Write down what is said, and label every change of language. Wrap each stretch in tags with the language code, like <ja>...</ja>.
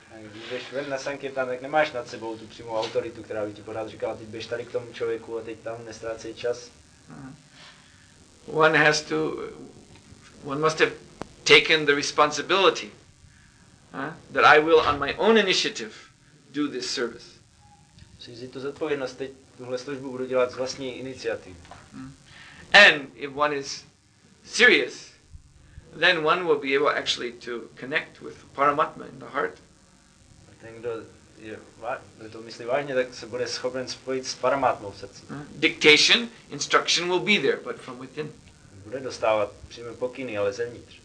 <cs>Když jdeš ven na Sankirtan, tak nemáš nad sebou tu přímou autoritu, která by ti pořád říkala, teď běž tady k tomu člověku a teď tam nestrácej čas.</cs> <en>One has to, one must have taken the responsibility that I will on my own initiative do this service.</en> <cs>Musím vzít tu zodpovědnost, teď tuhle službu budu dělat z vlastní iniciativy.</cs> <en>And if one is serious, then one will be able actually to connect with Paramatma in the heart.</en> <cs>Ten, kdo je, kdo to myslí vážně, tak se bude schopen spojit s Paramatmou v srdci.</cs> <en>Dictation, instruction will be there, but from within.</en> <cs>Bude dostávat přímé pokyny, ale zevnitř.</cs>